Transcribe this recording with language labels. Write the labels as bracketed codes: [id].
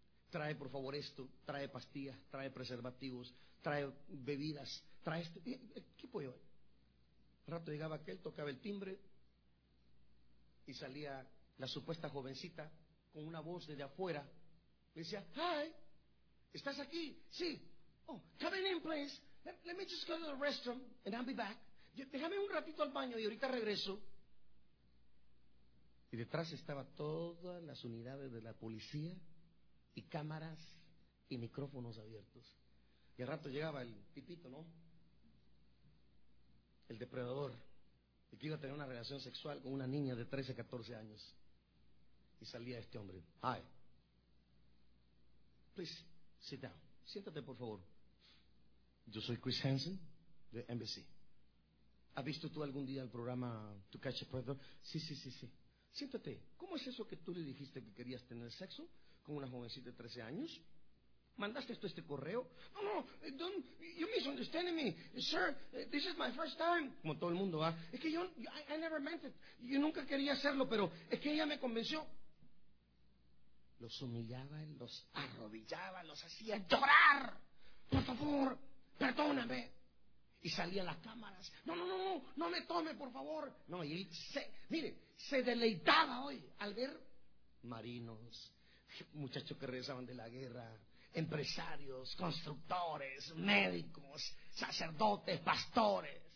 [es] Trae por favor esto, trae pastillas, trae preservativos, trae bebidas, trae esto. ¿Qué puedo llevar? Un rato llegaba aquel, tocaba el timbre y salía la supuesta jovencita, con una voz desde afuera, me decía, hi, ¿estás aquí? Sí. [en] Oh, come in, please. Let me just go to the restroom and I'll be back. [es] Déjame un ratito al baño y ahorita regreso. Y detrás estaban todas las unidades de la policía y cámaras y micrófonos abiertos. Y al rato llegaba el tipito, ¿no? El depredador, el que iba a tener una relación sexual con una niña de 13, 14 años. Y salía este hombre. Hi. [en] Please, sit down. [es] Siéntate, por favor. Yo soy Chris Hansen, de NBC. ¿Has visto tú algún día el programa To Catch a Predator? Sí, sí, sí, sí. Siéntate. ¿Cómo es eso que tú le dijiste que querías tener sexo con una jovencita de 13 años? ¿Mandaste esto este correo? [en] No, no, don't, you misunderstand me. Sir, this is my first time. [es] Como todo el mundo, ¿ah? ¿Eh? Es que yo, [en] I never meant it. [es] Yo nunca quería hacerlo, pero es que ella me convenció. Los humillaba, los arrodillaba, los hacía llorar. Por favor, perdóname. Y salía a las cámaras. No, no, no, no, no me tome, por favor. No, y él, se deleitaba hoy al ver marinos, muchachos que regresaban de la guerra, empresarios, constructores, médicos, sacerdotes, pastores.